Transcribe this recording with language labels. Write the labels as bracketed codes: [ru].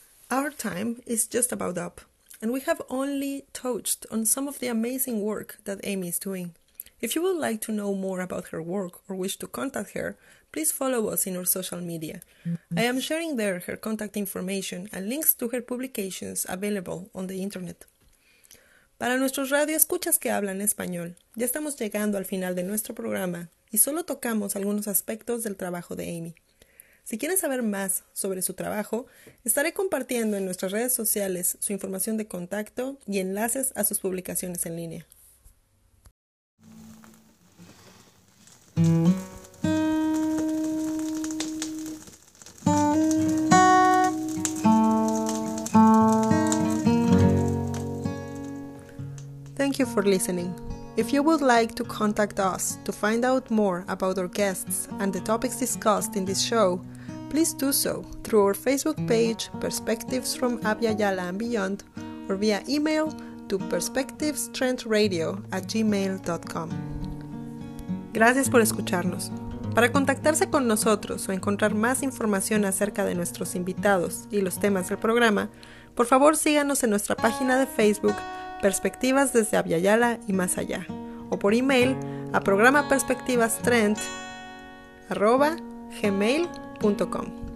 [en] Our time is just about up, and we have only touched on some of the amazing work that Amy is doing. If you would like to know more about her work or wish to contact her, please follow us in our social media. I am sharing there her contact information and links to her publications available on the internet. [es] Para nuestros radioescuchas que hablan español, ya estamos llegando al final de nuestro programa y solo tocamos algunos aspectos del trabajo de Amy. Si quieren saber más sobre su trabajo, estaré compartiendo en nuestras redes sociales su información de contacto y enlaces a sus publicaciones en línea. [en] Thank you for listening. If you would like to contact us to find out more about our guests and the topics discussed in this show, please do so through our Facebook page, Perspectives from Abya Yala and Beyond, or via email to perspectivestrendradio@gmail.com. [es] Gracias por escucharnos. Para contactarse con nosotros o encontrar más información acerca de nuestros invitados y los temas del programa, por favor síganos en nuestra página de Facebook, Perspectivas desde Abya Yala y más allá, o por email a programaperspectivastrend@gmail.com.